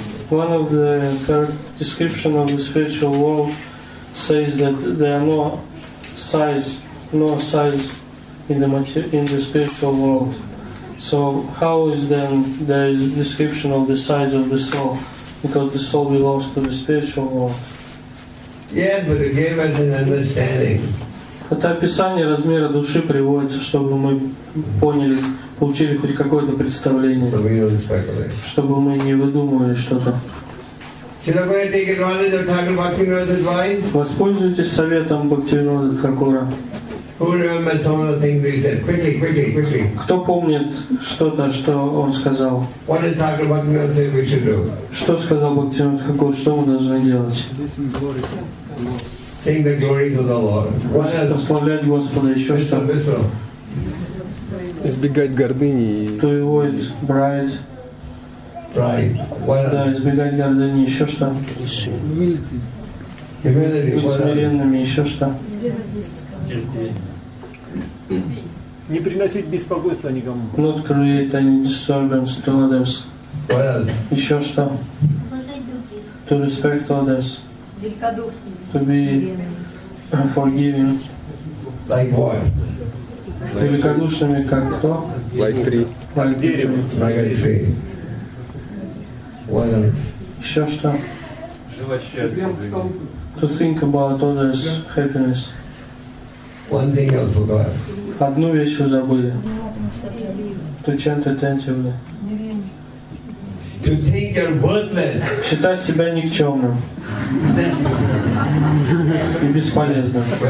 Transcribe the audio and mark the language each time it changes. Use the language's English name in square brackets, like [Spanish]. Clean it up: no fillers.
[English] One of the description of the spiritual world says that there are no size in the spiritual world. So how is then there is a description of the size of the soul? Because the soul belongs to the spiritual world. Yeah, but it gave us an understanding. [Russian] Это описание размера души приводится, чтобы мы поняли, получили хоть какое-то представление. [English] So we don't speculate. [Russian] Чтобы мы не выдумывали что-то. [English] Should I take advantage of Thakur Bhaktivinoda's advice? [Russian] Воспользуйтесь советом Бхактивинода Тхакура. [English] Who remembers some of the things he said? Quickly, quickly, quickly. [Russian] Кто помнит что-то, что он сказал? [English] What did Thakur Bhaktivinoda say we should do? [Russian] Что сказал Бхактивинода Тхакура? Что мы должны делать? [English] Sing the glory to the Lord. [Russian] Прославлять Господа. Еще что? Избегать гордыни. [English] To avoid pride. Right. [Russian] Да, избегать гордыни, еще что? [English] Humility. [Russian] Быть смиренными, еще что? Не приносить беспокойства никому. [English] Not create any disturbance to others. What else? [Russian] Еще что? [English] To respect others. To be forgiving. Like what? [Russian] Великодушными как кто? [English] Like tree. [Russian] Как дерево. [English] Like a tree. What else? [Russian] Еще что? [English] To think about others' happiness. One thing I forgot. [Russian] Одну вещь вы забыли. [English] To chant attentively. To think you're worthless. [Russian] Считать себя никчемным. И бесполезным.